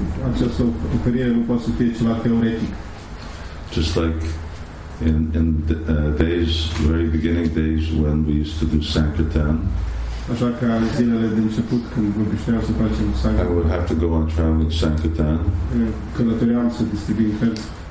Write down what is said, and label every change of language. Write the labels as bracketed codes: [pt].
[ro] Această oferire nu poate să fie ceva teoretic. [en] Just like in the very beginning days when we used to do sankirtan. [ro] Așa că în zilele de început când obișnuiam să facem sankirtan. [en] I would have to go on traveling sankirtan. [ro] Călătoream să distribuim cărți.